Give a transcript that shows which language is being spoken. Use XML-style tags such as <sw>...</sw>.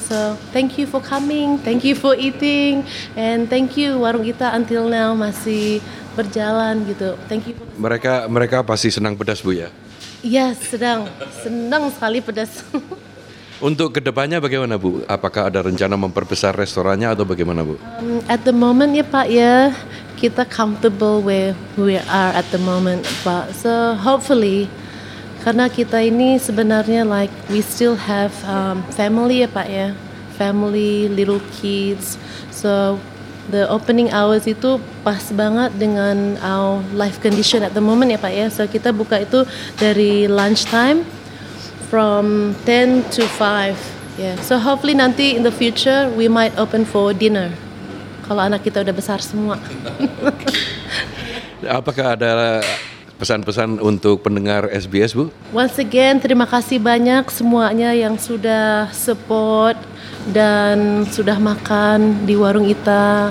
<en>So thank you for coming, thank you for eating, and thank you warung kita until now</en> <id>masih berjalan gitu.</id> <en>Thank you.</en> <id>Mereka pasti senang pedas, Bu, ya. Yes, senang sekali pedas. Untuk kedepannya bagaimana, Bu? Apakah ada rencana memperbesar restorannya atau bagaimana, Bu?</id> <en>At the moment</en> <id>ya, Pak, ya, kita</id> <en>comfortable where we are at the moment, Pak. So hopefully,</en> <id>karena kita ini sebenarnya</id> <en>like we still have family ya, Pak, ya, family, little kids. So the opening hours</en> <id>itu pas banget dengan</id> <en>our life condition at the moment ya, Pak, ya.</en> <id>So kita buka itu dari</id> <en>lunch time. From 10 to 5, yeah. So hopefully</en> <id>nanti</id> <en>in the future we might open for dinner.</en> <id>Kalau anak kita udah besar semua. Apakah ada pesan-pesan untuk pendengar SBS, Bu? Once again, terima kasih banyak semuanya yang sudah support dan sudah makan di warung kita.</id>